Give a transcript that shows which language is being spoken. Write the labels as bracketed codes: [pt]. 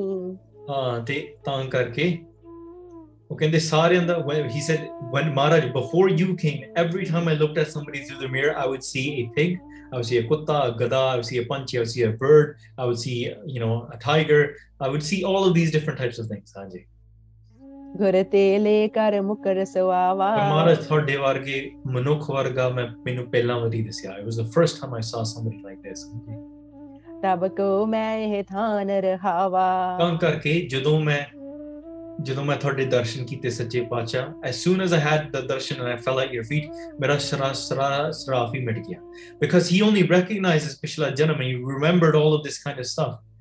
[pa] ਹਾਂ, ਤੇ ਤਾਂ ਕਰਕੇ ਉਹ ਕਹਿੰਦੇ ਸਾਰਿਆਂ ਦਾ, [en] he said, when Maharaj, before you came, every time I looked at somebody through the mirror, I would see a pig, I would see a kutta, a gada, I would see a panchi, I would see a bird, I would see, you know, a tiger, I would see all of these different types of things. [pa] Haanji. ਗੁਰ ਤੇ ਲੈ ਕਰ ਮੁਕਰ ਸਵਾਵਾ. ਮਹਾਰਾਜ ਤੁਹਾਡੇ ਵਰਗੇ ਮਨੁੱਖ ਵਰਗਾ ਮੈਨੂੰ ਪਹਿਲਾਂ ਵਾਰੀ ਦਿਸਿਆ. [en] It was the first time I saw somebody like this. [pa] ਤਬ ਕੋ ਮੈਂ ਇਹ ਥਾਨ ਰਹਾਵਾ. ਤਾਂ ਕਰਕੇ ਜਦੋਂ ਮੈਂ ਤੁਹਾਡੇ ਦਰਸ਼ਨ ਕੀਤੇ ਸੱਚੇ ਪਾਤਸ਼ਾਹ, [en] as soon as I had the darshan and I fell at your feet, [pa] ਮੇਰਾ ਸਰਾਫ ਹੀ ਮਿਟ ਗਿਆ. [en] Because he only recognizes ਪਿਛਲਾ ਜਨਮ, he remembered all of this kind of stuff.